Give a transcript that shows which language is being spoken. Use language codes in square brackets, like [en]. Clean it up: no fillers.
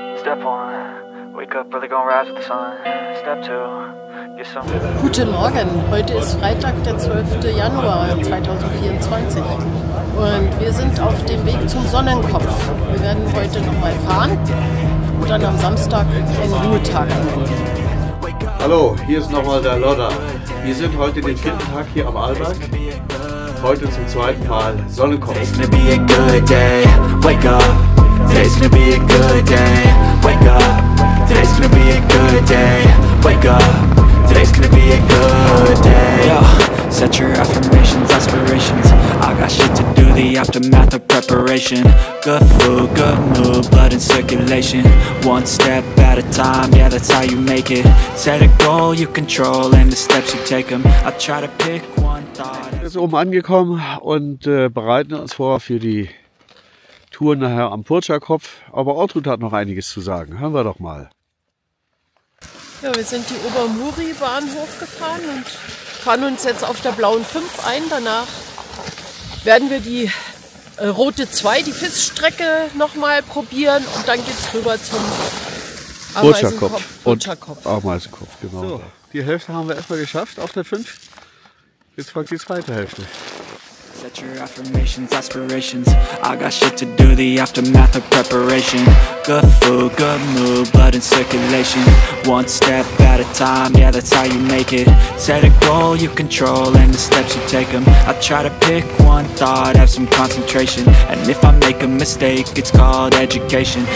[en] Step one, wake up, really gonna rise with the sun. Step two. [de] Guten Morgen, heute ist Freitag, der 12. Januar 2024 und wir sind auf dem Weg zum Sonnenkopf. Wir werden heute nochmal fahren und dann am Samstag einen Ruhetag nehmen. Hallo, hier ist nochmal der Lodder. Wir sind heute den vierten Tag hier am Arlberg. Heute zum zweiten Mal Sonnenkopf. [en] It's gonna be a good day, wake up. It's gonna be a good day, wake up. Today's gonna be a good day, wake up. Today's gonna be a good day. Yo, set your affirmations, aspirations. I got shit to do, the aftermath of preparation. Good food, good mood, blood in circulation. One step at a time, yeah, that's how you make it. Set a goal you control and the steps you take them. I try to pick one thought. [de] Wir sind oben angekommen und bereiten uns vor für die Tour nachher am Purtschakopf. Aber Ortrud hat noch einiges zu sagen. Hören wir doch mal. Ja, wir sind die Obermuri-Bahn hochgefahren und fahren uns jetzt auf der blauen 5 ein. Danach werden wir die rote 2, die FIS-Strecke, nochmal probieren. Und dann geht es rüber zum Purtschakopf. Ameisenkopf, genau. So, die Hälfte haben wir erstmal geschafft auf der 5. Jetzt folgt die zweite Hälfte. [en] Set your affirmations, aspirations. I got shit to do, the aftermath of preparation. Good food, good mood, blood in circulation. One step at a time, yeah, that's how you make it. Set a goal you control and the steps you take them. I try to pick one thought, have some concentration. And if I make a mistake, it's called education.